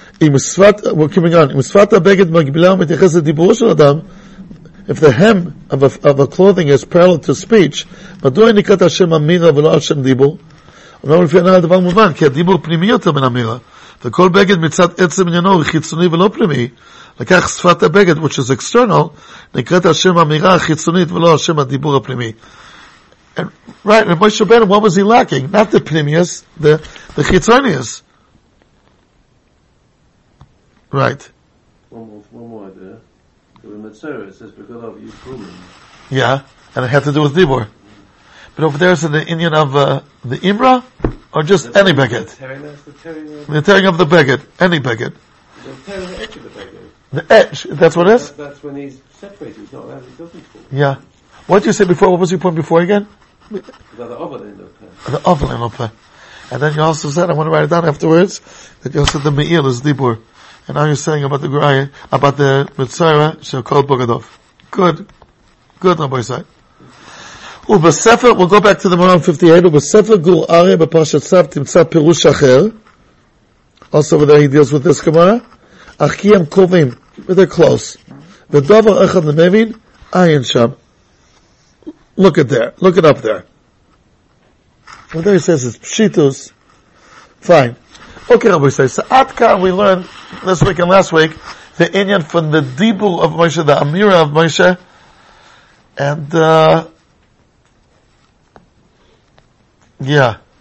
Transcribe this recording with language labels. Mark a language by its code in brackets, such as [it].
[he] אם שפת, [en] we're keeping on, [he] אם שפת הבגד מגבילה ומתייחס לדיבורו של אדם, [en] if the hem of a clothing is parallel to speech, [he] מדוע נקראת השם אמירה ולא על שם דיבור? אומנם לפי הנה הדבר מובן, כי הדיבור פנימי יותר מן אמירה, וכל בגד מצד עצם עניינו הוא חיצוני ולא פנימי, לקח שפת הבגד, [en] which is external, [he] נקראת השם אמירה החיצונית ולא השם הדיבור הפנימי. [en] And, right, and Moshe Ben, what was he lacking? Not the pnimius, the chitonius. Right. One more idea. The Metzera, it says, because of you proving. Yeah, and it had to do with Dibor. But over there is in the Indian of the Imra, or just the any beged? The tearing of the beged, any beged. The tearing of the edge of the beged. The edge, that's what it is? That's when he's separated, he's not allowed, he doesn't fall. Yeah. What did you say before? What was your point before again? The oval in Lope. And then you also said, I want to write it down afterwards, that you also said the Me'il is Dibur. And now you're saying about the Mitzvah, she'll call Bogadov. Good. Good, Rabbi Yisai. [he] ובספר, [en] we'll go back to the Maharal 58, [he] ובספר גור אריה בפרשת סב תמצא פירוש אחר. [en] Also over there he deals with this Gemara. [he] אך כי הם קרובים, [en] but they're close. [he] ודובר אחד למבין, עין שם. [en] Look at there, look it up there. And there he says it's פשיטוס. Fine. Okay, Rabbi Yisai, so עד כאן we learned this week and last week the עניין from the דיבור of Moshe, the אמירה of Moshe, and yeah.